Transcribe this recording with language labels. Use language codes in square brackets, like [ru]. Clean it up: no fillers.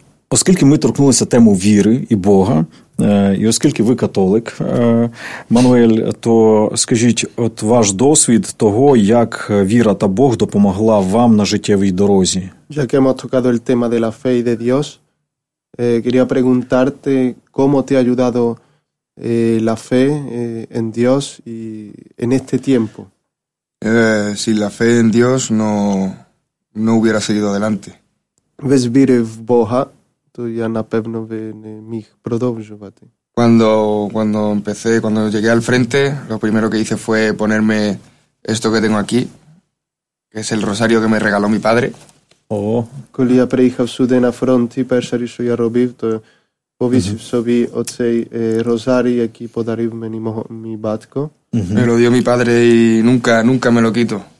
[uk] Оскільки ми торкнулися тему віри і Бога, і оскільки ви католик, Мануель, то скажіть, от ваш досвід того, як віра та Бог допомогла вам на життєвій дорозі? [es] Ya que hemos tocado el tema de la fe y de Dios, quería preguntarte cómo te ha ayudado la fe en Dios y en este tiempo. Sin la fe en Dios no hubiera seguido adelante. [uk] Без віри в Бога то я, напевно, не міг продовжувати. [es] Cuando empecé, cuando llegué al frente, lo primero que hice fue ponerme esto que tengo aquí, que es el rosario que me regaló mi padre. [uk] Коли я приїхав сюди на фронт, перше, що я робив, то повісив собі оцей розарій, який подарив мені мій батько. [es] Me lo dio mi padre y nunca me lo quito.